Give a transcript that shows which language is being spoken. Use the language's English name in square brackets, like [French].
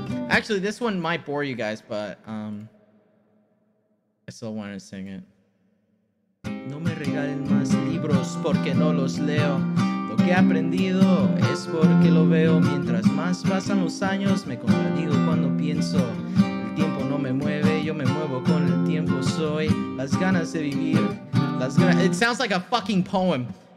[English] Actually, this one might bore you guys, but I still want to sing it. [Spanish] No me regalen más libros porque no los leo. Lo que he aprendido es porque lo veo. Mientras más pasan los años, me contradigo cuando pienso. El tiempo no me mueve, yo me muevo con el tiempo. Soy las ganas de vivir. [English] It sounds like a fucking poem.